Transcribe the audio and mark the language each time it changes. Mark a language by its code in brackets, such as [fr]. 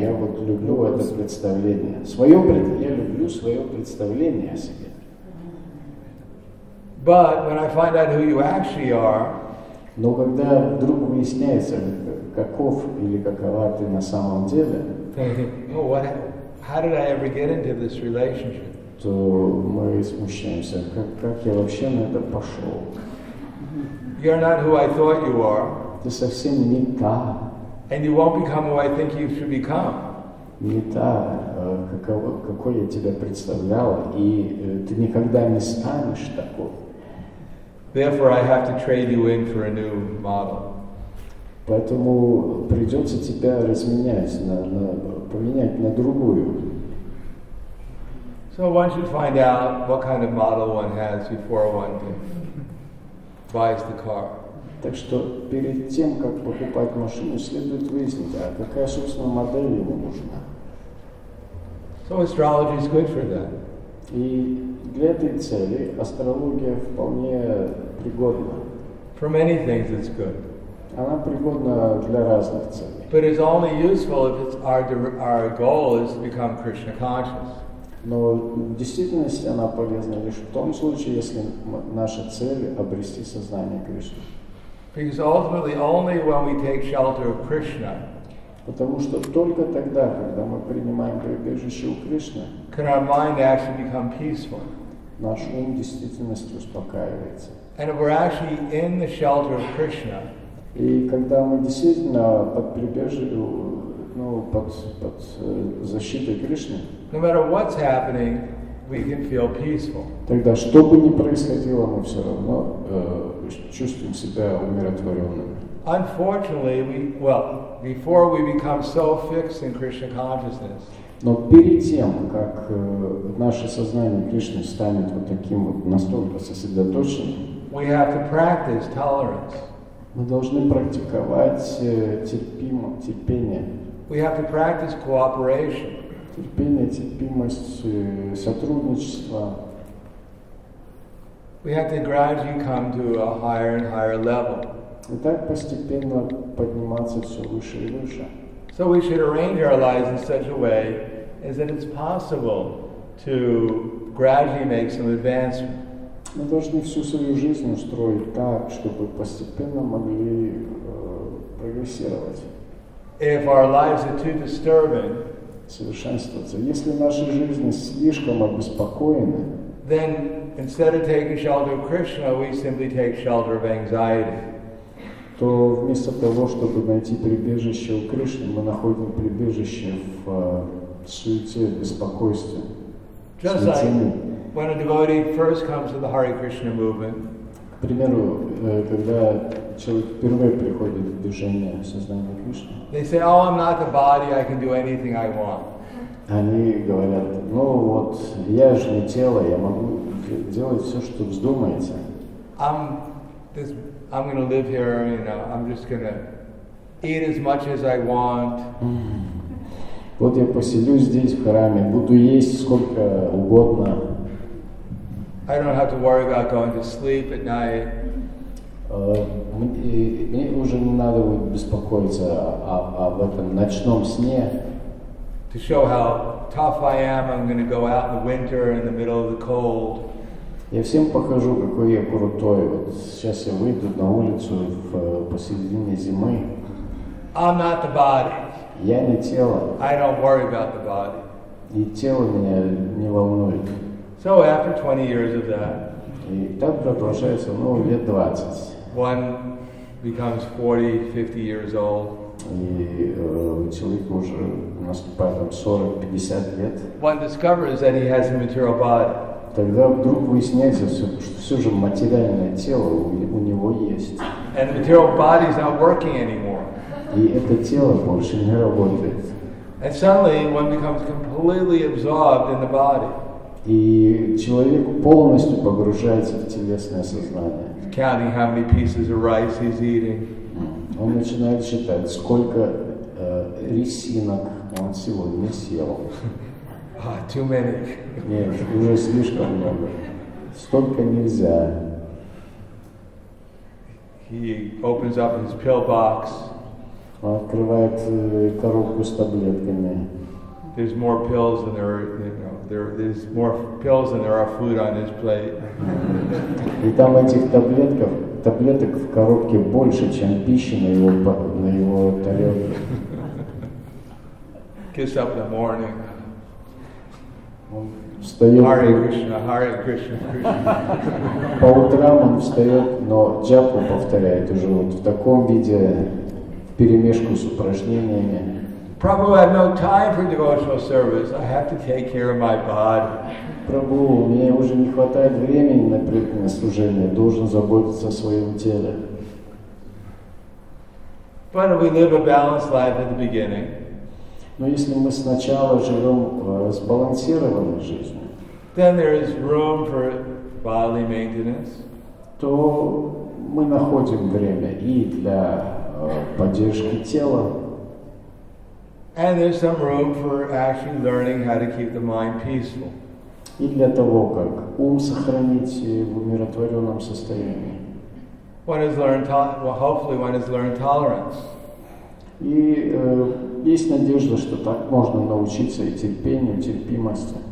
[ru] Я вот люблю это представление. Я люблю свое представление о себе. [en] But when I find out who you actually are, [ru] но когда вдруг выясняется, каков или какова ты на самом деле, [en] how did I ever get into this relationship? [ru] То мы смущаемся. Как я вообще на это пошел? [en] You're not who I thought you are. [ru] Ты совсем не та. [en] And you won't become who I think you should become. [ru] Не та, какой я тебя представлял, и ты никогда не станешь такой. [en] Therefore, I have to trade you in for a new model. [ru] Поэтому придется тебя разменять, поменять на другую. [en] So one should find out what kind of model one has before one buys the car. [ru] Так что перед тем, как покупать машину, следует выяснить, а какая, собственно, модель ему нужна. [en] So astrology is good for that. [ru] И для этой цели астрология вполне пригодна. [en] For many things it's good. [ru] Она пригодна для разных целей. [en] But it's only useful if it's our goal is to become Krishna conscious. [ru] Но в действительности она полезна лишь в том случае, если наша цель – обрести сознание Кришны. [en] Because ultimately, only when we take shelter of Krishna, [ru] потому что только тогда, когда мы принимаем прибежище у Кришны, [en] can our mind actually become peaceful. [ru] Наш ум в действительности успокаивается. [en] And if we're actually in the shelter of Krishna, [ru] И когда мы действительно под прибежью, ну, под защитой Кришны, [en] no matter what's happening, we can feel peaceful. [ru] Тогда, что бы ни происходило, мы все равно чувствуем себя умиротворенными. [en] Unfortunately, before we become so fixed in Krishna consciousness. [ru] Но перед тем, как наше сознание Кришны станет вот таким вот настолько сосредоточенным, [en] we have to practice tolerance. [ru] Мы должны практиковать терпение. [en] We have to practice cooperation. [ru] Терпение, терпимость, сотрудничество. [en] We have to gradually come to a higher and higher level. [ru] И так постепенно подниматься все выше и выше. [en] So we should arrange our lives in such a way as that it's possible to gradually make some advancement. [ru] Мы должны всю свою жизнь устроить так, чтобы постепенно могли прогрессировать. Совершенствоваться. Если наши жизни слишком обеспокоены, [en] then instead of taking shelter of Krishna, we simply take shelter of anxiety. [ru] То вместо того, чтобы найти прибежище у Кришны, мы находим прибежище в суете, беспокойстве. [en] When a devotee first comes to the Hare Krishna movement, [ru] к примеру, когда человек впервые приходит в движение сознания Кришны, [en] they say, "Oh, I'm not the body. I can do anything I want." [ru] Они говорят: "Ну вот, я же не тело. Я могу делать все, что вздумается." [en] I'm going to live here. You know, I'm just going to eat as much as I want. [ru] Вот я поселюсь здесь в храме, буду есть сколько угодно. [en] I don't have to worry about going to sleep at night. [ru] Мне уже не надо будет беспокоиться об этом ночном сне. [en] To show how tough I am, I'm going to go out in the winter in the middle of the cold. [ru] Я всем покажу, какой я крутой. Вот сейчас я выйду на улицу в посередине зимы. [en] I'm not the body. [ru] Я не тело. [en] I don't worry about the body. [ru] И тело меня не волнует. [en] So after 20 years of that, [ru] и так продолжается, ну, лет 20. [en] One becomes 40, 50 years old. [ru] И человек уже наступает там 40-50 лет. [en] One discovers that he has a material body. [ru] Тогда вдруг выясняется, что все же материальное тело у него есть. [en] And the material body is not working anymore. [ru] И это тело больше не работает. [en] And suddenly one becomes completely absorbed in the body. [ru] И человек полностью погружается в телесное сознание. [en] Counting how many pieces of rice he's eating. [ru] Он начинает считать, сколько рисинок он сегодня съел. [en] Too many. [ru] Нет, уже слишком много. Столько нельзя. [en] He opens up his pill box. [ru] Он открывает коробку с таблетками. [en] There's more pills than there are, you know, there's more pills than there are food on his plate. [ru] И там этих таблеток в коробке больше, чем пищи на его тарелке. [en] Gets up in the morning. [ru] Встает. [sa] Hare Krishna, Hare Krishna, Krishna. [ru] По утрам он встает, но джапу повторяет уже вот в таком виде, в перемешку с упражнениями. [en] Prabhu, I have no time for devotional service. I have to take care of my body. [ru] Prabhu, мне уже не хватает времени на преданное служение. Должен заботиться о своем теле. [en] But if we live a balanced life at the beginning. [ru] Но если мы сначала живем сбалансированной жизнью, [en] then there is room for bodily maintenance. [ru] То мы находим время и для поддержки тела. [en] And there's some room for actually learning how to keep the mind peaceful. [ru] И для того, как ум сохранить в умиротворенном состоянии. [en] Hopefully one has learned tolerance. [ru] И есть надежда, что так можно научиться и терпению, терпимости.